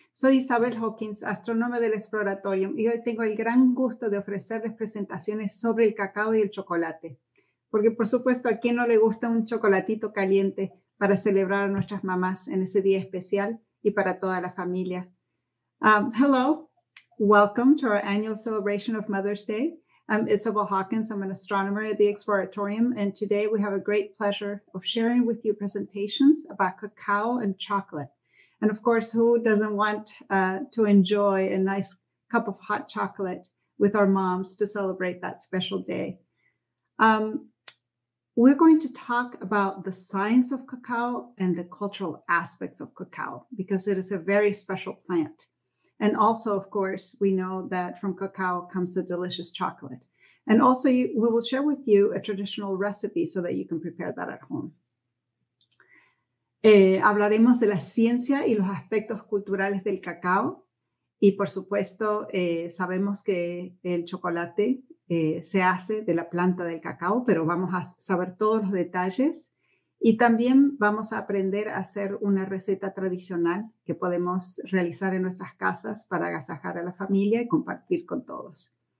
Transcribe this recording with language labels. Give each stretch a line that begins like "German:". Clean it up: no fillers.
Spanish: Soy Isabel Hawkins, astrónoma del Exploratorium, y hoy tengo el gran gusto de ofrecerles presentaciones sobre el cacao y el chocolate. Porque, por supuesto, ¿a quién no le gusta un chocolatito caliente para celebrar a nuestras mamás en ese día especial y para toda la familia?
English: Hello, welcome to our annual celebration of Mother's Day. I'm Isabel Hawkins. I'm an astronomer at the Exploratorium, and today we have a great pleasure of sharing with you presentations about cacao and chocolate. And of course, who doesn't want to enjoy a nice cup of hot chocolate with our moms to celebrate that special day? We're going to talk about the science of cacao and the cultural aspects of cacao, because it is a very special plant. And also, of course, we know that from cacao comes the delicious chocolate. And also, we will share with you a traditional recipe so that you can prepare that at home.
Spanish: Hablaremos de la ciencia y los aspectos culturales del cacao. Y, por supuesto, sabemos que el chocolate se hace de la planta del cacao, pero vamos a saber todos los detalles. Y también vamos a aprender a hacer una receta tradicional que podemos realizar en nuestras casas para agasajar a la familia y compartir con todos.